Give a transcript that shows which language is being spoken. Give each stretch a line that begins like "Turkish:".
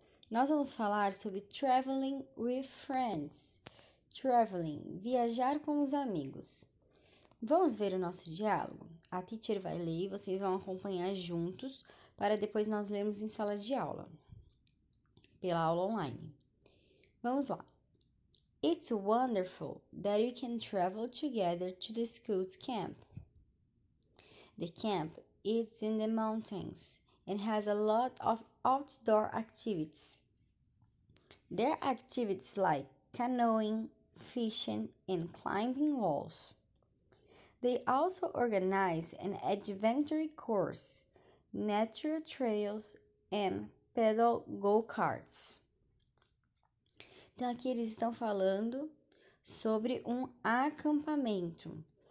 Portuguese: Nós vamos falar sobre
English: traveling with friends.
Portuguese: Traveling, viajar com os amigos. Vamos ver o nosso diálogo? A teacher vai ler e vocês vão acompanhar juntos para depois nós lermos em sala de aula, pela aula online. Vamos lá.
English: It's wonderful that you can travel together to the school's camp. The camp is in the mountains and has a lot of outdoor activities. There are activities like canoeing, fishing, and climbing walls. They also organize an adventure course, natural trails and pedal go-karts.
Portuguese: Então, aqui eles estão falando sobre um acampamento.